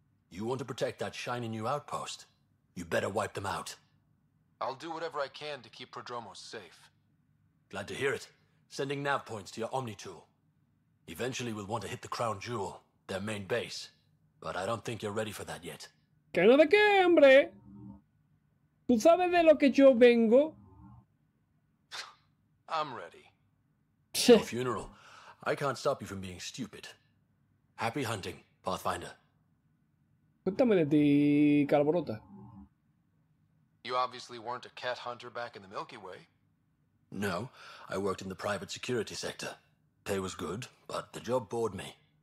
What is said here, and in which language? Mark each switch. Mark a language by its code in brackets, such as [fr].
[en] You want to protect that shiny new outpost? You better wipe them out. I'll do whatever I can to keep Prodromos safe. Glad to hear it. Sending nav points to your Omni-tool. Eventually we'll want to hit the Crown Jewel, their main base. But I don't think you're ready for that yet. [es] ¿Que no de qué, hombre? ¿Tú sabes de lo que yo vengo? [en] I'm ready. Your funeral. I can't stop you from being stupid. Happy hunting, Pathfinder. [es] Cuéntame de ti, Calvorota. [en] You obviously weren't a cat hunter back in the Milky Way. No, I worked in the private security sector. Pay was good, but the job bored me.